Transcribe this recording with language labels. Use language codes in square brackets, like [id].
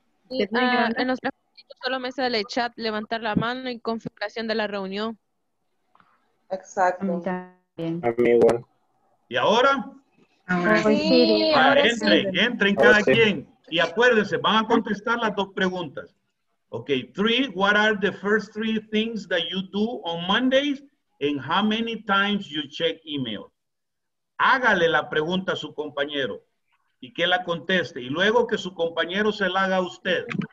[es] En los tres puntitos solo me sale chat, levantar la mano y configuración de la reunión. Exacto. Amigual. ¿Y ahora? Ahora sí. Entren cada quien. Y acuérdense, van a contestar las dos preguntas. [en] Okay, three, what are the first three things that you do on Mondays and how many times you check email? [es] Hágale la pregunta a su compañero y que la conteste. Y luego que su compañero se la haga a usted.